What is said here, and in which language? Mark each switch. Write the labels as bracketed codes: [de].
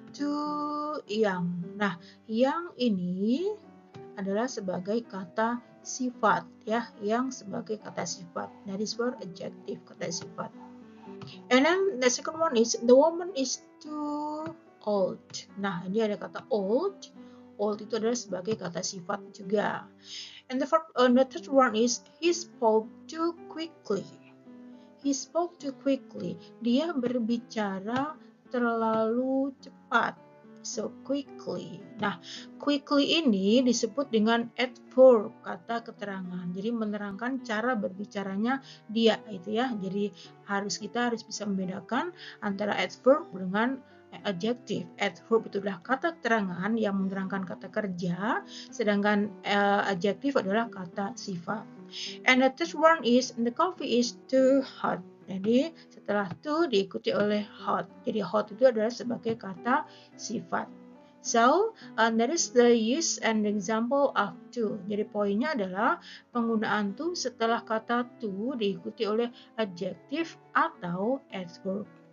[en] too young. [id] Nah, yang ini adalah sebagai kata sifat, ya, yang sebagai kata sifat. [en] That is for adjective, [id] kata sifat. [en] And then the second one is the woman is too old. [id] Nah, ini ada kata old. Old itu adalah sebagai kata sifat juga. [en] And the third one is he spoke too quickly. He spoke too quickly. [id] Dia berbicara terlalu cepat. [en] So quickly. [id] Nah, quickly ini disebut dengan adverb, kata keterangan. Jadi menerangkan cara berbicaranya dia, itu ya. Jadi harus kita harus bisa membedakan antara adverb dengan adjective. Adverb itu adalah kata keterangan yang menerangkan kata kerja, sedangkan adjective adalah kata sifat. And the third one is the coffee is too hot. Jadi setelah itu diikuti oleh hot. Jadi hot itu adalah sebagai kata sifat. [en] So, that is the use and example of to. [id] Jadi poinnya adalah penggunaan to setelah kata to diikuti oleh adjective atau adverb.